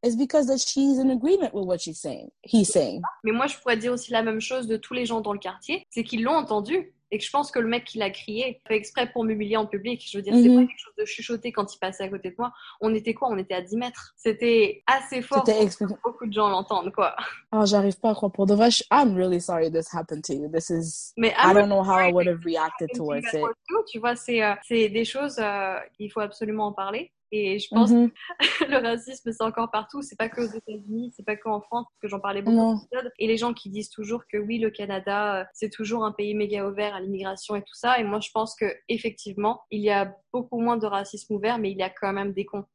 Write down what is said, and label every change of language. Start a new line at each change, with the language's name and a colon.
English: It's because that she's in agreement with what she's saying. He's saying.
French: Mais moi, je pourrais dire aussi la même chose de tous les gens dans le quartier, c'est qu'ils l'ont entendu. Et que je pense que le mec qui l'a crié fait exprès pour m'humilier en public. Je veux dire, mm-hmm. c'est pas quelque chose de chuchoté quand il passait à côté de moi. On était quoi? On était à 10 mètres. C'était assez fort pour que beaucoup de gens l'entendent, quoi. Oh, j'arrive pas à croire. Pour de vrai,
English: I'm really sorry this happened to you. This is...
French: Mais
English: I don't know how I would have reacted towards it.
French: Tu vois, c'est des choses qu'il faut absolument en parler. Et je pense mm-hmm. que le racisme, c'est encore partout. C'est pas que aux États-Unis, c'est pas qu'en France, parce que j'en parlais beaucoup. Non. Et les gens qui disent toujours que oui, le Canada, c'est toujours un pays méga ouvert à l'immigration et tout ça. Et moi, je pense qu'effectivement, il y a beaucoup moins de racisme ouvert, mais il y a quand même des cons.